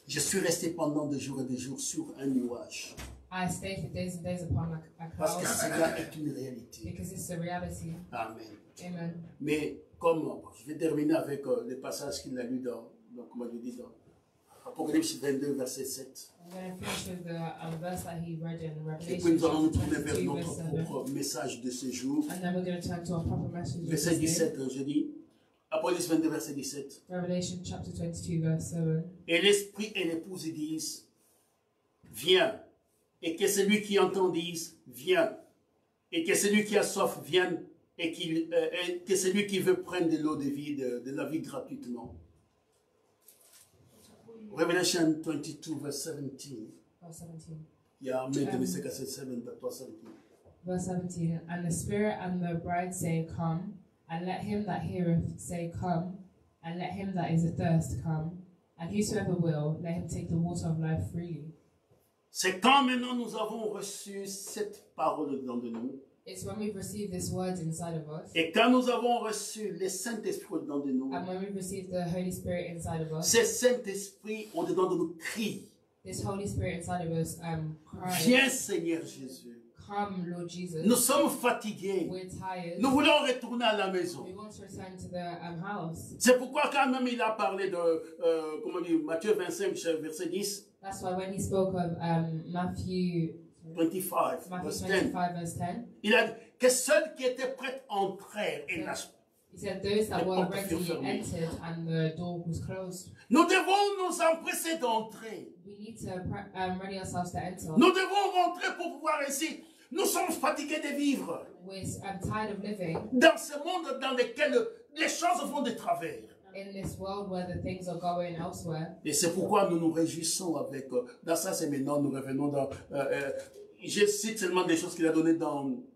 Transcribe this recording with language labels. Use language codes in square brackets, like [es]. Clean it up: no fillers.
[fr] Je suis resté pendant des jours et des jours sur un nuage. [en] I stay for days and days upon a cloud. [fr] Parce que cela est une réalité. [en] Because it's a reality. Amen. Amen. [fr] Mais comme je vais terminer avec le passage qu'il a lu dans comment je dis dans Apocalypse 22 verset 7. [en] I'm going to finish with the verse that he read in Revelation. [fr] Et puis nous allons tourner vers notre propre message de ce jour. [en] And then we're going to turn to our proper message. [fr] Verset 17, je dis. Apocalypse 22 verset 17. [en] Revelation chapter 22 verse 7. [fr] Et l'esprit et l'épouse disent, viens. Et que celui qui entend dise, viens. Et que celui qui a soif vienne. Et que celui qui veut prendre de l'eau de vie, de la vie gratuitement. [en] Revelation 22, verse 17. Verse 17. Yeah, maybe I said 7, but verse 17. Verse 17. And the Spirit and the bride say, come. And let him that heareth say, come. And let him that is athirst come. And whosoever will, let him take the water of life freely. [fr] C'est quand maintenant nous avons reçu cette parole dedans de nous. [en] It's when we've received this word inside of us. [fr] Et quand nous avons reçu le Saint-Esprit dedans de nous. [en] And when we've received the Holy Spirit inside of us. [fr] Ce Saint-Esprit au dedans de nous crie. [en] This Holy Spirit inside of us cries. [fr] Viens Seigneur Jésus. [en] come, Lord Jesus. [fr] Nous sommes fatigués. [en] We're tired. [fr] Nous voulons retourner à la maison. [en] We want to return to the house. [fr] C'est pourquoi quand même il a parlé de comment dire Matthieu 25 verset 10. [en] That's why when he spoke of Matthew 25 verse 10. [fr] Il a dit que ceux qui étaient prêts entrèrent et la nous devons nous empresser d'entrer. [en] We need to ready ourselves to enter. [fr] Nous devons rentrer pour pouvoir ici. Nous sommes fatigués de vivre. [en] I'm tired of living. [fr] Dans ce monde dans lequel les choses vont de travers. [en] In this world where the things are going elsewhere. [fr] Et c'est pourquoi nous nous réjouissons avec. Dans ça, c'est maintenant, nous revenons dans. Je cite seulement des choses qu'il a données dans.